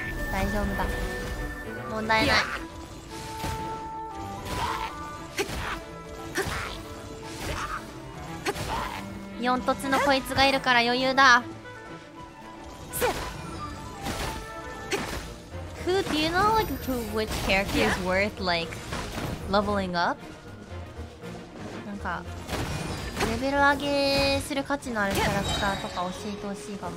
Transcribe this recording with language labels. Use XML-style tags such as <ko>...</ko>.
<ja>大丈夫だ。問題ない。四突のこいつがいるから余裕だ。</ja> <en>Do you know like to which character is worth like leveling up?</en> <ja>なんかレベル上げする価値のあるキャラクターとか教えてほしいかも。</ja>